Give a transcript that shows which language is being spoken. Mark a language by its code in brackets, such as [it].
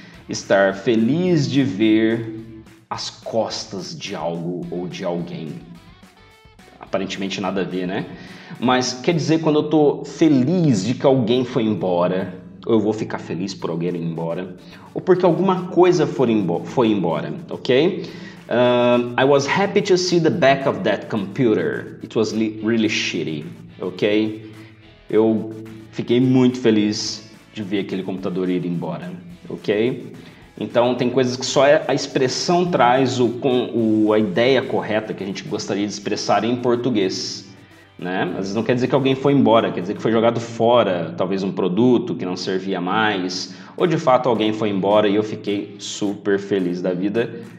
[pt] Estar feliz de ver as costas de algo ou de alguém. Aparentemente nada a ver, né? Mas quer dizer quando eu tô feliz de que alguém foi embora. Eu vou ficar feliz por alguém ir embora. Ou porque alguma coisa foi embora, ok? [en] I was happy to see the back of that computer. It was really shitty, ok? [pt] Eu fiquei muito feliz de ver aquele computador ir embora, ok? Então, tem coisas que só a expressão traz a ideia correta que a gente gostaria de expressar em português. Né? Às vezes não quer dizer que alguém foi embora, quer dizer que foi jogado fora, talvez um produto que não servia mais, ou de fato alguém foi embora e eu fiquei super feliz da vida.